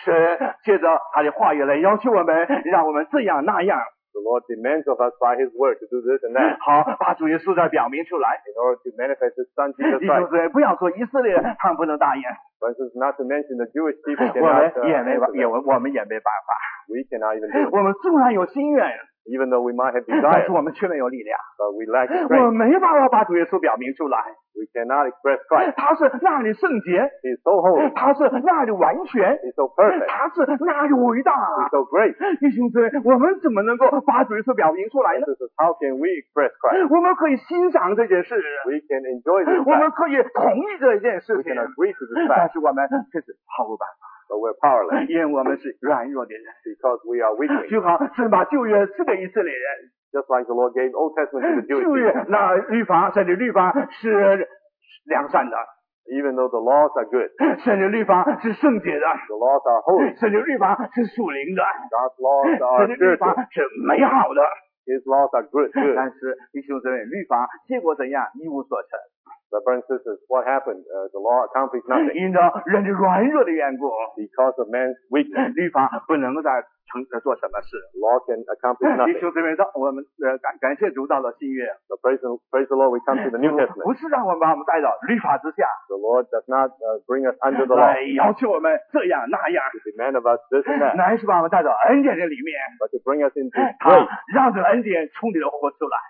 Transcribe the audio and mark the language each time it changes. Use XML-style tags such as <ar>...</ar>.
<zh>神借着他的话语来要求我们，让我们这样那样。</zh> <en>The Lord demands of us by His word to do this and that.</en> <zh>好，把主耶稣再表明出来。</zh> <en>In order to manifest His Son Jesus Christ.</en> <zh>弟兄姊妹，不要说以色列人他们不能答应。</zh> <en>For instance, not to mention the Jewish people cannot.</en> <zh>我们也没办法。</zh> <en>We cannot even do it.</en> <zh>我们纵然有心愿。</zh> <en>Even though we might have desire.</en> <zh>但是我们却没有力量。</zh> <en>But we lack the</en> <zh>strength. 我们没办法把主耶稣表明出来。</zh> <en>We cannot express Christ.</en> <zh>他是那里圣洁。</zh> <en>He's so holy.</en> <zh>他是那里完全。</zh> <en>He's so perfect.</en> <zh>他是那里伟大。</zh> <en>He's so great.</en> <zh>弟兄姊妹，我们怎么能够把主耶稣表明出来呢？</zh> <en>This is how can we express Christ?</en> <zh>我们可以欣赏这件事。</zh> <en>We can enjoy this.</en> <zh>我们可以同意这件事情。</zh> <en>We can agree to this fact.</en> <zh>但是我们却是毫无办法。</zh> <en>But we're powerless.</en> <zh>因为我们是软弱的人。</zh> <en>Because we are weak.</en> <zh>就好，神把旧约赐给以色列人。</zh> <en>Just like the Lord gave Old Testament to the Jewish people.</en> <zh>那律法，甚至律法是良善的。</zh> <en>Even though the laws are good.</en> <zh>甚至律法是圣洁的。</zh> <en>The laws are holy.</en> <zh>甚至律法是属灵的。</zh> <en>God's laws are good. 甚</en> <zh>至律法是美好的。</zh> <en>His laws are good.</en> <zh>但是弟兄姊妹，律法结果怎样，一无所成。</zh> <en>But brothers and sisters, what happened? The law accomplished nothing.</en> <zh>因着人的软弱的缘故。</zh> <en>Because of man's weakness.</en> <zh>律法不能再成做什么事。</zh> <en>Law can accomplish nothing.</en> <zh>弟兄姊妹，我们感谢主到了新约。</zh> <en>So praise the Lord, we come to the New Testament.</en> <zh>不是让我们把我们带到律法之下。</zh> <en>The Lord does not bring us under the law.</en> <zh>来要求我们这样那样。</zh> <en>To demand of us this and that.</en> <zh>乃是把我们带到恩典的里面。</zh> <en>But to bring us into grace.</en> <zh>他让这恩典从里头活出来。</zh>